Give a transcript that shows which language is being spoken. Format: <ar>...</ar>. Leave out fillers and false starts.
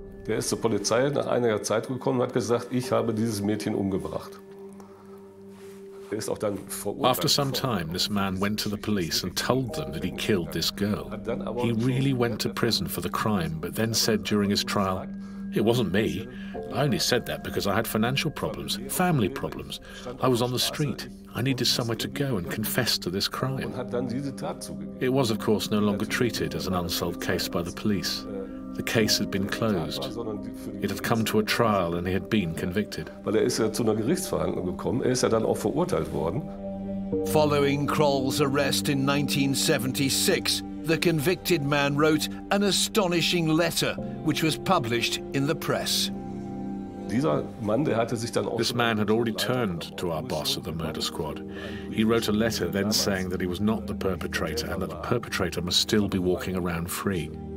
<de>Der ist zur Polizei nach einiger Zeit gekommen und hat gesagt, ich habe dieses Mädchen umgebracht.</de> <en>After some time, this man went to the police and told them that he killed this girl. He really went to prison for the crime, but then said during his trial, it wasn't me. I only said that because I had financial problems, family problems. I was on the street. I needed somewhere to go and confess to this crime. It was, of course, no longer treated as an unsolved case by the police. The case had been closed. It had come to a trial and he had been convicted.</en> <de>Weil er ist ja zu einer Gerichtsverhandlung gekommen, er ist ja dann auch verurteilt worden.</de> <en>Following Kroll's arrest in 1976, the convicted man wrote an astonishing letter, which was published in the press. This man had already turned to our boss at the murder squad. He wrote a letter then saying that he was not the perpetrator and that the perpetrator must still be walking around free.</en>